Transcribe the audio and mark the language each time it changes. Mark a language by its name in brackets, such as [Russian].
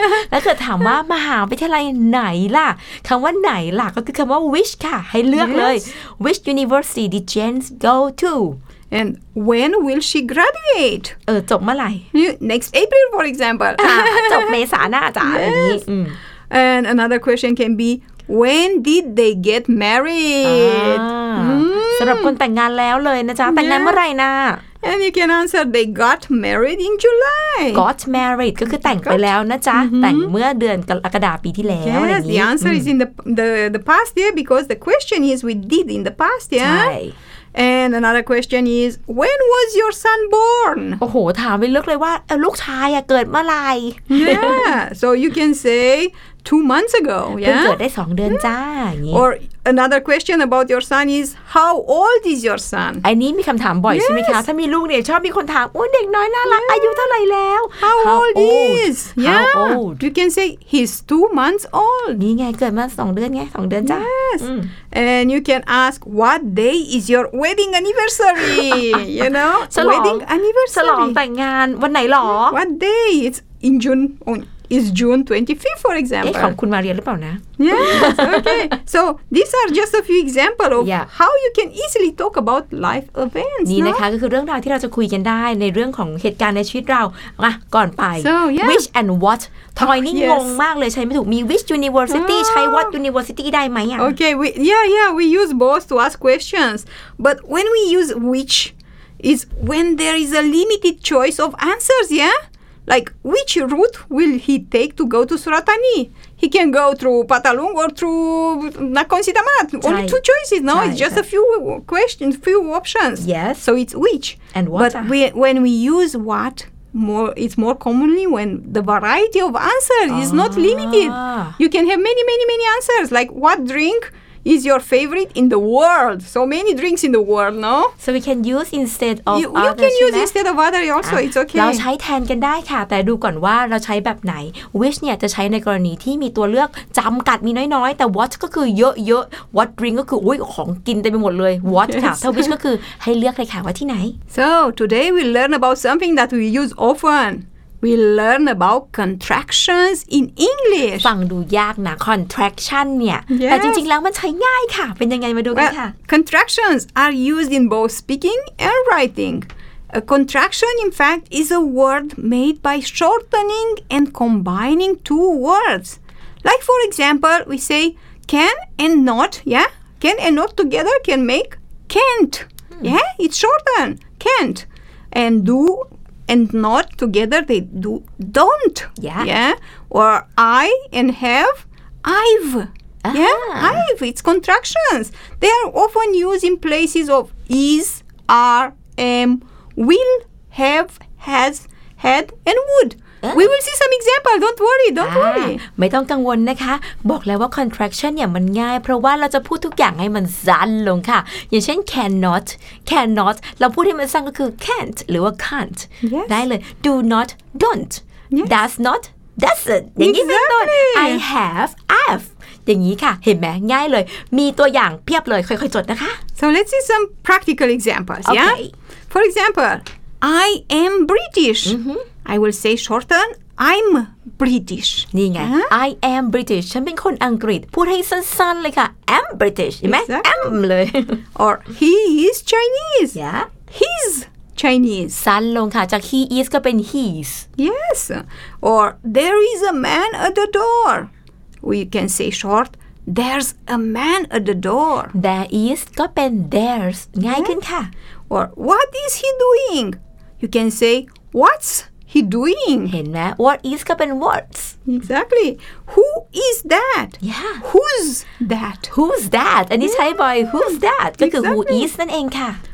[Thai] แล้วเกิดถามว่ามหาวิทยาลัยไหนล่ะคำว่าไหนล่ะก็คือคำว่า which ค่ะให้เลือก [English] yes. [Thai] เลย [English] Which university did Jane go to? And when will she graduate? [Thai] จบเมื่อไหร่ [English] Next April for example [Thai] จบเมษาหน้าจ้า [English] And another question can be when did they get married? [Thai] สำหรับคนแต่งงานแล้วเลยนะจ๊ะ [English] yeah. [Thai] แต่งงานเมื่อไหร่นะ [English] And you can answer they got married in July [Thai] Got married ก็คือแต่งไปแล้วนะจ๊ะ [English] mm-hmm. [Thai] แต่งเมื่อเดือนกรกฎาคมปีที่แล้ว [English] yes, [Thai] อะไรอย่างงี้ [English] The answer is in the past year because the question is we did in the past yeah [Thai] ใช่ [English] And another question is, when was your son born? [Thai] โอ้โหถามไปลึกเลยว่าลูกชายอะเกิดเมื่อไหร่ [English] Yeah, so you can say, 2 months ago. Yeah. [Thai] เพิ่งเกิดได้2เดือนจ้า [English] Or another question about your son is how old is your son? [Thai] อันนี้มีคำถามบ่อยใช่ไหมคะถ้ามีลูกเนี่ยชอบมีคนถามโอ้เด็กน้อยน่ารักอายุเท่าไหร่แล้ว [English] How old is? Yeah. How old? You can say he's 2 months old. [Thai] นี่ไงเกิดมา2เดือนไง2เดือนจ้า [English] Yes. And you can ask what day is your wedding anniversary? You know? Wedding anniversary. [Thai] ฉลองแต่งงานวันไหนหรอ [English] What day? It's in June. Oh. Is June 25th, for example. [Thai] ของคุณมาเรียนหรือเปล่านะ [English] Yes, okay. So, these are just a few examples of yeah. how you can easily talk about life events. [Thai] นี่นะคะก็คือเรื่องราวที่เราจะคุยกันได้ในเรื่องของเหตุการณ์ในชีวิตเราอะก่อนไป [English] so, yeah. Which and what? [Thai] ทอยนี่งงมากเลยใช้ไม่ถูกมี [English] Which University [Thai] ใช้ [English] What University [Thai] ได้ไหมอะ [English] Okay, we use both to ask questions. But when we use which, is when there is a limited choice of answers, yeah? Like, which route will he take to go to Surat Thani? He can go through Patalung or through Nakhon Sitamarat. Only two choices, no? It's just a few questions, few options. Yes. So it's which. And what? But when we use what, more, it's more commonly when the variety of answers is not limited. You can have many, many, many answers. Like, what drink is your favorite in the world? So many drinks in the world, no? So we can use instead of you, you can use instead of other also. It's okay. [Thai] เราใช้แทนกันได้ค่ะแต่ดูก่อนว่าเราใช้แบบไหน Which เนี่ยจะใช้ในกรณีที่มีตัวเลือกจำกัดมีน้อยๆแต่ What ก็คือเยอะๆ What drink ก็คืออุ้ยของกินเต็มไปหมดเลย What ค่ะถ้า Which ก็คือให้เลือกเลยค่ะว่าที่ไหน [English] So today we learn about something that we use often. We learn about contractions in English. [Thai] ฟังดูยากนะ contraction เนี่ย [English] yes. [Thai] แต่จริงๆแล้วมันใช้ง่ายค่ะเป็นยังไงมาดูกันค่ะ [English] Contractions are used in both speaking and writing. A contraction, in fact, is a word made by shortening and combining two words. Like for example, we say can and not. Yeah, can and not together can make can't. Hmm. Yeah, it's shortened. Can't and do. And not together, they do don't. Yeah. Yeah. Or I and have, I've. Uh-huh. Yeah. I've. It's contractions. They are often used in places of is, are, am, will, have, has, had, and would. We will see some example. Don't worry. Don't worry. [Thai] ไม่ต้องกังวลนะคะบอกแล้วว่า contraction เนี่ยมันง่ายเพราะว่าเราจะพูดทุกอย่างให้มันสั้นลงค่ะอย่างเช่น [English] cannot cannot [Thai] เราพูดให้มันสั้นก็คือ can't หรือว่า can't [English] yes. [Thai] ได้เลย do not don't [English] yes. does not doesn't [Thai] อย่างนี้เป็นต้น I have I've อย่างนี้ค่ะเห็นไหมง่ายเลยมีตัวอย่างเพียบเลยค่อยๆจดนะคะ [English] so let's see some practical examples okay. yeah for example I am British mm-hmm. I will say shorten, I'm British. [Thai] นี่ไง [English] I am British. [Thai] ฉันเป็นคนอังกฤษพูดให้สั้นๆเลยค่ะ [English] I'm British. [Thai] เห็นไหม I'm เลย [English] Or he is Chinese. Yeah. He's Chinese. [Thai] สั้นลงค่ะจาก [English] he is [Thai] ก็เป็น he's. [English] Yes. Or there is a man at the door. We can say short, there's a man at the door. There is [Thai] ก็เป็น [English] there's. [Thai] ง่ายขึ้นค่ะ [English] Or what is he doing? You can say what'sHe doing? [Thai] เห็นไหม [English] What is [Thai] ก็เป็น what's [English] Exactly Who is that? Yeah Who's that? Who's that? [Thai] อันนี้ใช้บ่อย [English] Who's that? [Thai] ก็คือ Who is นั่นเองค่ะ